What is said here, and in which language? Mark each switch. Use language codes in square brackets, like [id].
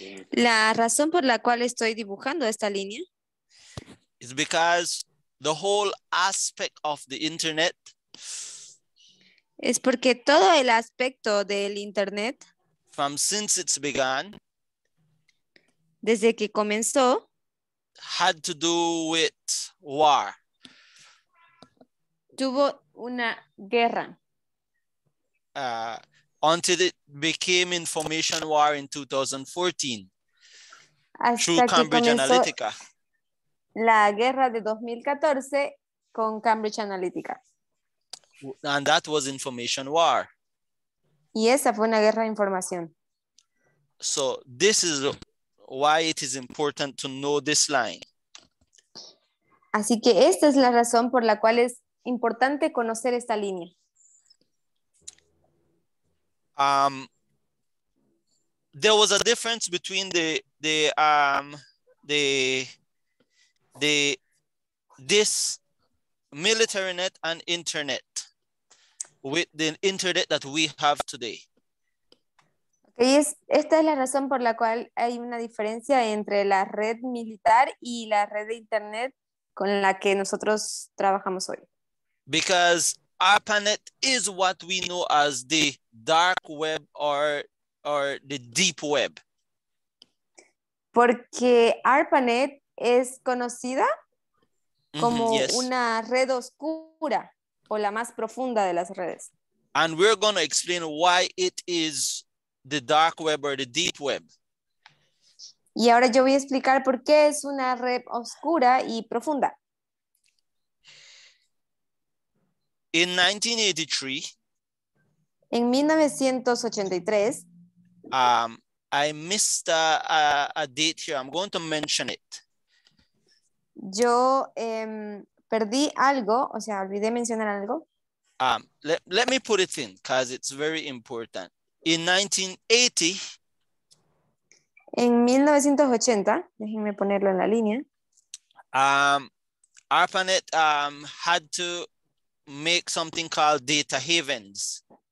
[es] La razón por la cual estoy dibujando esta línea [en] is because the whole aspect of the internet [es] es porque todo el aspecto del internet [en] from since it's begun [es] desde que comenzó [en] had to do with war. [es] Tuvo una guerra. [en] Until it became information war in 2014 [es] hasta through Cambridge Analytica. La guerra de 2014 con Cambridge Analytica. [en] And that was information war. [es] Y esa fue una guerra de información. [en] So this is why it is important to know this line. [es] Así que esta es la razón por la cual es importante conocer esta línea. [en] There was a difference between this military net and internet with the internet that we have today. [es] Okay, esta es la razón por la cual hay una diferencia entre la red militar y la red de internet con la que nosotros trabajamos hoy. [en] Because ARPANET is what we know as the dark web or the deep web. [es] Porque ARPANET es conocida como yes. una red oscura o la más profunda de las redes. [en] And we're going to explain why it is the dark web or the deep web. [es] Y ahora yo voy a explicar por qué es una red oscura y profunda. [en] In 1983, [es] en 1983, [en] I missed a date here. I'm going to mention it. [es] Yo perdí algo, o sea, olvidé mencionar algo. [en] Let me put it in, because it's very important. In 1980, [es] en 1980, déjenme ponerlo en la línea. [en] ARPANET had to make something called data havens.